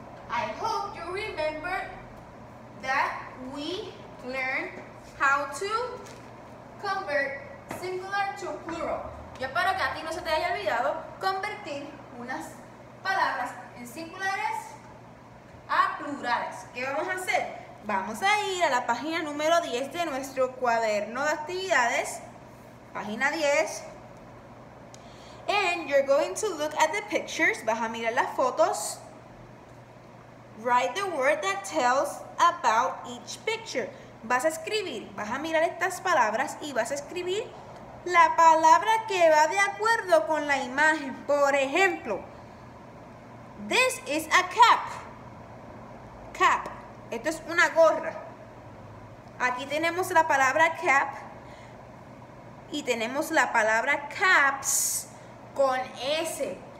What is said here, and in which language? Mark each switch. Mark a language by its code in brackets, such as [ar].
[en] I hope you remember that we learned how to convert singular to plural. [es] Yo espero que a ti no se te haya olvidado convertir unas palabras en singulares a plurales. ¿Qué vamos a hacer? Vamos a ir a la página número 10 de nuestro cuaderno de actividades. Página 10. [en] And you're going to look at the pictures. [es] Vas a mirar las fotos. [en] Write the word that tells about each picture. [es] Vas a escribir, vas a mirar estas palabras y vas a escribir la palabra que va de acuerdo con la imagen. Por ejemplo, [en] this is a cap. Cap. [es] Esto es una gorra. Aquí tenemos la palabra cap y tenemos la palabra caps con S.